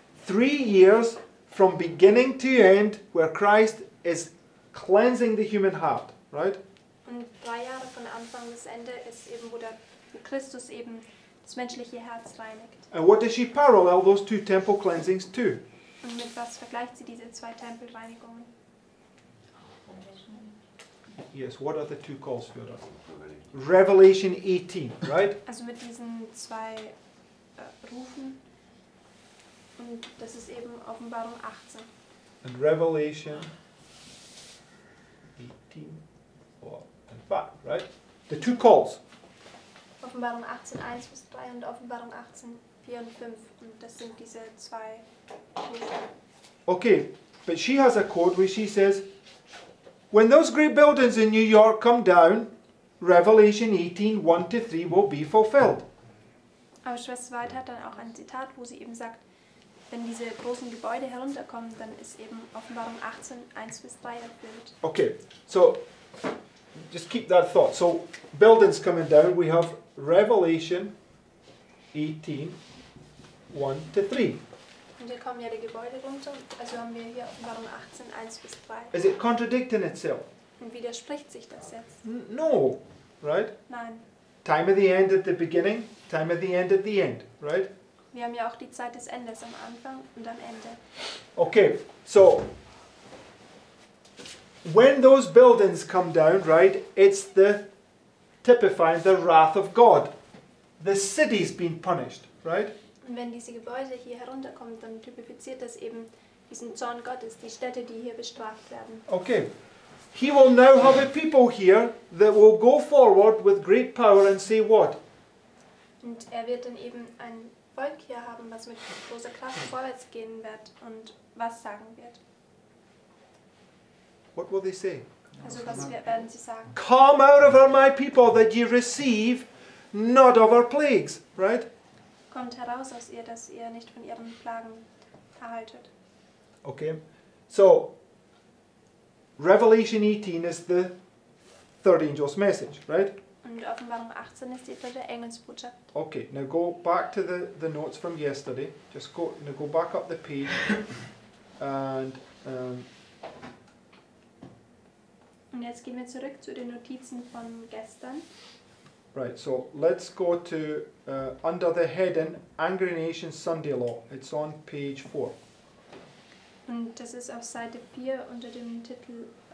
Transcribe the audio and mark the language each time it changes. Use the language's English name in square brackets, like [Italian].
[English] 3 years from beginning to end, where Christ is cleansing the human heart, right? [German] Und 3 Jahre von Anfang bis Ende ist eben, wo Christus eben das menschliche Herz reinigt. [English] And what does she parallel those two temple cleansings to? [German] Und mit was vergleicht sie diese zwei Tempelreinigungen? [English] Yes, what are the two calls for that? Revelation 18, right? [German] Also mit diesen zwei Rufen. Und das ist eben Offenbarung 18. [English] And Revelation 18, and back, right? The two calls. [German] Offenbarung 18, 1 bis 3 und Offenbarung 18, 4 und 5. Und das sind diese zwei Rufen. [English] Okay, but she has a code where she says, when those great buildings in New York come down, Revelation 18, 1-3 will be fulfilled. [German] Aber Schwester White hat dann auch ein Zitat, wo sie eben sagt, wenn diese großen Gebäude herunterkommen, dann ist eben Offenbarung 18, 1-3 erfüllt. [English] Okay, so just keep that thought. So buildings coming down, we have Revelation 18, 1-3. [German] Und hier kommen ja die Gebäude runter, also haben wir hier Offenbarung 18, 1-3. [English] Is it contradicting itself? [German] Und widerspricht sich das jetzt? [English] No, right? [German] Nein. [English] Time of the end at the beginning, time of the end at the end, right? [German] Wir haben ja auch die Zeit des Endes am Anfang und am Ende. [English] Okay, so, when those buildings come down, right, it's the typifying the wrath of God. The city's been punished, right? [German] Und wenn diese Gebäude hier herunterkommen, dann typifiziert das eben diesen Zorn Gottes, die Städte, die hier bestraft werden. [English] Okay. He will now have a people here that will go forward with great power and say what? [German] Und wird dann eben ein Volk hier haben, was mit großer Kraft vorwärts gehen wird und was sagen wird. [English] What will they say? [German] Also was werden sie sagen? [English] Come out of my people that ye receive not of our plagues, right? [German] Kommt heraus aus ihr, dass ihr nicht von ihren Plagen erhaltet. [English] Okay. So Revelation 18 is the third angel's message, right? [German] Und Offenbarung 18 ist die dritte Engelsbotschaft. [English] Okay, now go back to the notes from yesterday. Just go now go back up the page and [German] Und jetzt gehen wir zurück zu den Notizen von gestern. [English] Right, so let's go to under the heading Angry Nations Sunday Law. It's on page 4. [German] Und das ist auf Seite 4 unter dem Titel